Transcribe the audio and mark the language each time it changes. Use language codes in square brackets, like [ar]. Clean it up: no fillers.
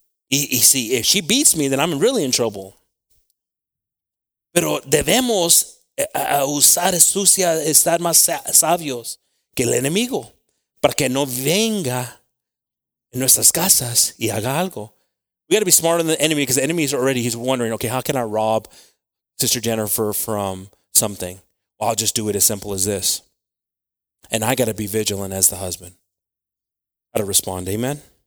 [es] Y si [en] if she beats me, then I'm really in trouble. [es] Pero debemos a usar astucia, estar más sabios que el enemigo, para que no venga en nuestras casas y haga algo. [en] We got to be smarter than the enemy because the enemy is already, he's wondering, okay, how can I rob Sister Jennifer from something? Well, I'll just do it as simple as this. And I got to be vigilant as the husband. Got to respond, amen?